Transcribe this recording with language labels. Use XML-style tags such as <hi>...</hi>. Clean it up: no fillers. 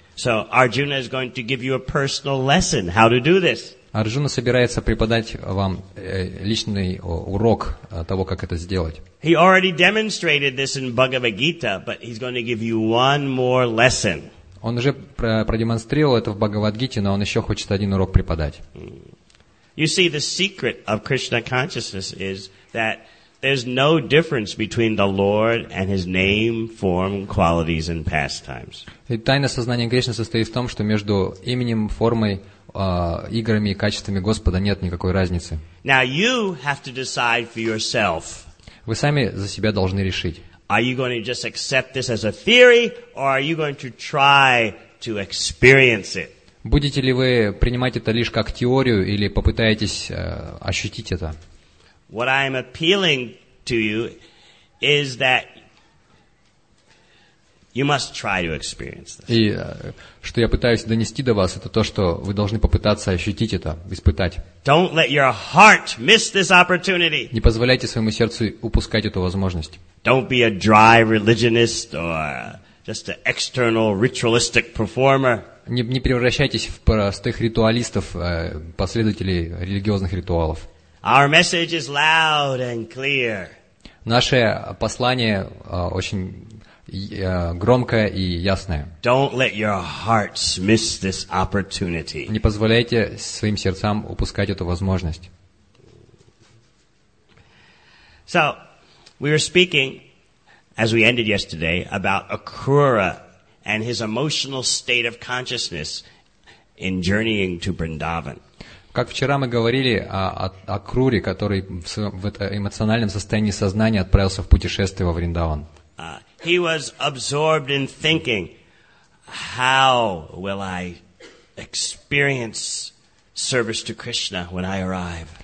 <en>So Arjuna is going to give you a personal lesson how to do this.</en> <ru>Арджуна собирается преподать вам личный урок того, как это сделать.</ru> <en>He already demonstrated this in Bhagavad Gita, but he's going to give you one more lesson.</en> <ru>Он уже продемонстрировал это в Бхагавад-гите, но он еще хочет один урок преподать.</ru> <en>You see, the secret of Krishna consciousness is that there's no difference between the Lord and His name, form, qualities, and pastimes.</en> <ru>И тайна сознания Кришны состоит в том, что между именем, формой, играми и качествами Господа нет никакой разницы.</ru> <en>Now you have to decide for yourself.</en> <ru>Вы сами за себя должны решить.</ru> <en>Are you going to just accept this as a theory, or are you going to try to experience it?</en> <ru>Будете ли вы принимать это лишь как теорию, или попытаетесь ощутить это?</ru> <en>What I am appealing to you is that you must try to experience this.</en> <ru>И что я пытаюсь донести до вас, это то, что вы должны попытаться ощутить это, испытать.</ru> <en>Don't let your heart miss this opportunity.</en> <ru>Не позволяйте своему сердцу упускать эту возможность.</ru> <en>Don't be a dry religionist or just an external ritualistic performer.</en> <ru>Не превращайтесь в простых ритуалистов, последователей религиозных ритуалов.</ru> <en>Our message is loud and clear.</en> <ru>Наше послание очень громкое и ясное.</ru> <en>Don't let your hearts miss this opportunity.</en> <ru>Не позволяйте своим сердцам упускать эту возможность.</ru> <en>So, we were speaking, as we ended yesterday, about Akrura and his emotional state of consciousness in journeying to Vrindavan.</en> <ru>Как вчера мы говорили о Акруре, который в эмоциональном состоянии сознания отправился в путешествие во Вриндаван.</ru> <en>He was absorbed in thinking, how will I experience service to Krishna when I arrive?</en>